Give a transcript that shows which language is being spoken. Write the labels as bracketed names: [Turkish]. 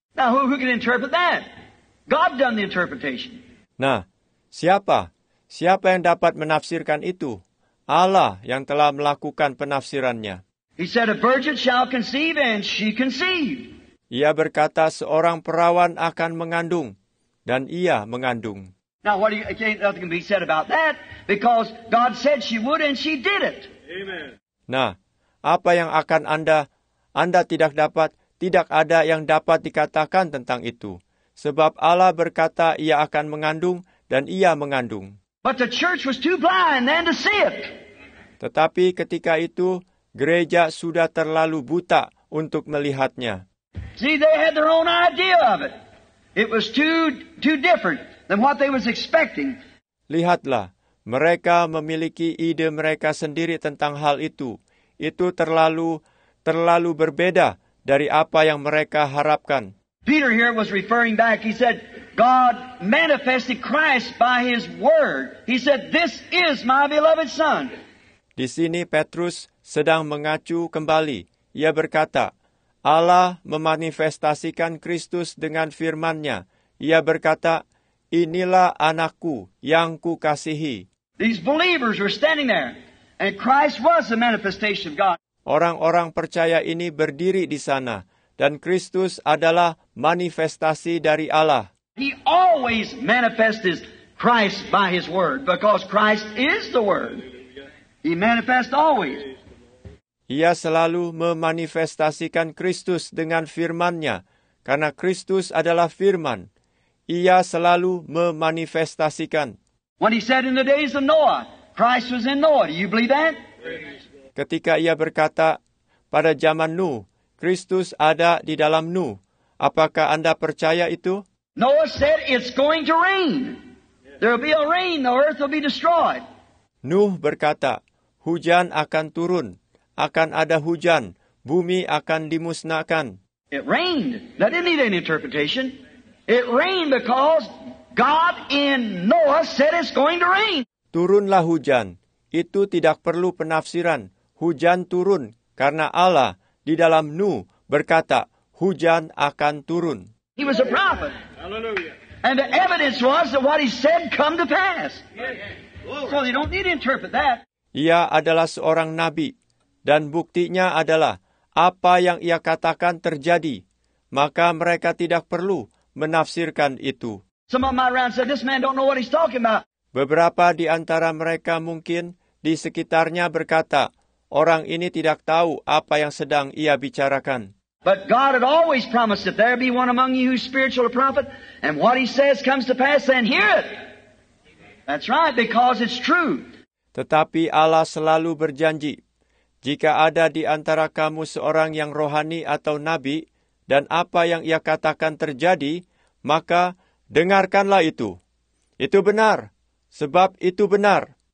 [English] Now who can interpret that? God done the interpretation. [Indonesian] Nah, siapa? Siapa yang dapat menafsirkan itu? Allah yang telah melakukan penafsirannya. [English] He said a virgin shall conceive and she conceived. [Indonesian] Ia berkata seorang perawan akan mengandung dan ia mengandung. [English] Now what you, can't nothing can be said about that because God said she would and she did it. Amen. [Indonesian] Nah, apa yang akan Anda tidak dapat, tidak ada yang dapat dikatakan tentang itu. Sebab Allah berkata ia akan mengandung dan ia mengandung. [English] But the church was too blind then to see it. [Indonesian] Tetapi ketika itu gereja sudah terlalu buta untuk melihatnya. [English] See, they had their own idea of it. It was too different than what they was expecting. [Indonesian] Lihatlah, mereka memiliki ide mereka sendiri tentang hal itu. Itu terlalu berbeda dari apa yang mereka harapkan. [English] Peter here was referring back. He said God manifested Christ by his word. He said, "This is my beloved son." [Indonesian] Di sini Petrus sedang mengacu kembali. Ia berkata, Allah memanifestasikan Kristus dengan firman-Nya. Ia berkata, "Inilah anakku yang kukasihi." [English] These believers were standing there, and Christ was the manifestation of God. [Indonesian] Orang-orang percaya ini berdiri di sana, dan Kristus adalah manifestasi dari Allah. [English] He always manifests Christ by his word, because Christ is the word. He manifests always. [Indonesian] Ia selalu memanifestasikan Kristus dengan firman-Nya, karena Kristus adalah Firman, Ia selalu memanifestasikan. [English] When He said in the days of Noah, Christ was in Noah. Do you believe that? [Indonesian] Ketika Ia berkata pada zaman Nuh, Kristus ada di dalam Nuh. Apakah Anda percaya itu? [English] Noah said it's going to rain. There will be a rain. The earth will be destroyed. Nuh berkata, hujan akan turun, akan ada hujan, bumi akan dimusnahkan. It rained. That didn't need any interpretation. It rained because God in Noah said it's going to rain. [Indonesian] Turunlah hujan. Itu tidak perlu penafsiran. Hujan turun karena Allah di dalam Nuh berkata, hujan akan turun. [English] He was a prophet. Hallelujah. And the evidence was that what he said come to pass. Yes. So they don't need to interpret that. [Indonesian] Ia adalah seorang nabi, dan buktinya adalah apa yang ia katakan terjadi. Maka mereka tidak perlu menafsirkan itu. [English] Some of my friends said this man don't know what he's talking about. [Indonesian] Beberapa di antara mereka mungkin di sekitarnya berkata, orang ini tidak tahu apa yang sedang ia bicarakan. [English] But God had always promised that there be one among you who's spiritual a prophet, and what he says comes to pass, then hear it. That's right, because it's true. [Indonesian] Tetapi Allah selalu berjanji, jika ada di antara kamu seorang yang rohani atau nabi, dan apa yang ia katakan terjadi, maka dengarkanlah itu. Itu benar, sebab itu benar.